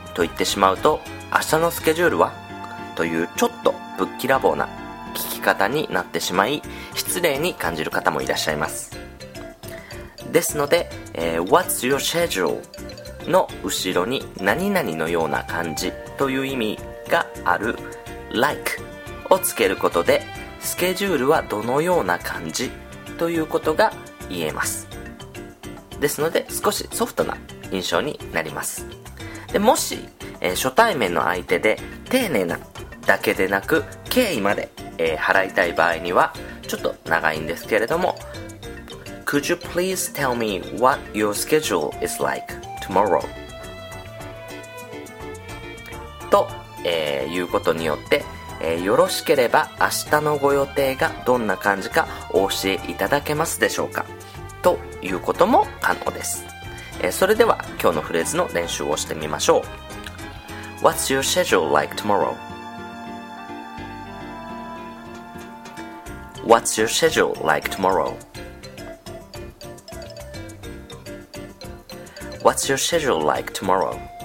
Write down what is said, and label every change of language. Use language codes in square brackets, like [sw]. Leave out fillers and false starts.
[ja] と言ってしまうと、明日のスケジュールは?というちょっとぶっきらぼうな聞き方になってしまい、失礼に感じる方もいらっしゃいます。 [en] ですので、What's your schedule? [ja] の後ろに何々のような感じという意味がある like をつけることで、スケジュールはどのような感じということが言えます。ですので、少しソフトな印象になります。でもし、初対面の相手で丁寧なだけでなく敬意まで、払いたい場合にはちょっと長いんですけれども [en] Could you please tell me what your schedule is like tomorrow? [ja] と、いうことによって、よろしければ明日のご予定がどんな感じかお教えいただけますでしょうかということも可能です。それでは今日のフレーズの練習をしてみましょう。 [en] What's your schedule like tomorrow? What's your schedule like tomorrow? What's your schedule like tomorrow?